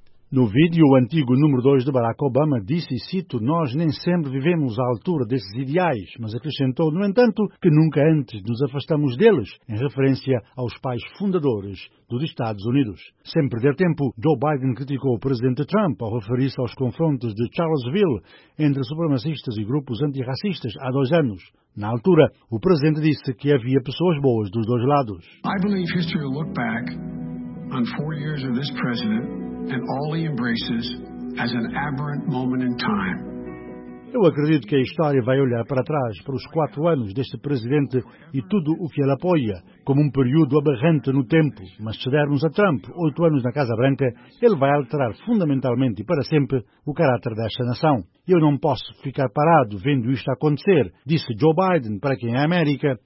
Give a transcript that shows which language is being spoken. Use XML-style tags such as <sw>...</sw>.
<pt>No vídeo, o antigo número 2 de Barack Obama disse, e cito, "Nós nem sempre vivemos à altura desses ideais", mas acrescentou, no entanto, que nunca antes nos afastamos deles, em referência aos pais fundadores dos Estados Unidos. Sem perder tempo, Joe Biden criticou o presidente Trump ao referir-se aos confrontos de Charlottesville entre supremacistas e grupos antirracistas há 2 anos. Na altura, o presidente disse que havia pessoas boas dos dois lados.</pt> <en>I believe history will look back on 4 years of this president and all he embraces as an aberrant moment in time.</en> <pt>Eu acredito que a história vai olhar para trás, para os 4 anos deste presidente e tudo o que ele apoia, como um período aberrante no tempo. Mas se dermos a Trump 8 anos na Casa Branca, ele vai alterar fundamentalmente e para sempre o caráter desta nação. Eu não posso ficar parado vendo isto acontecer, disse Joe Biden, para quem é América.</pt>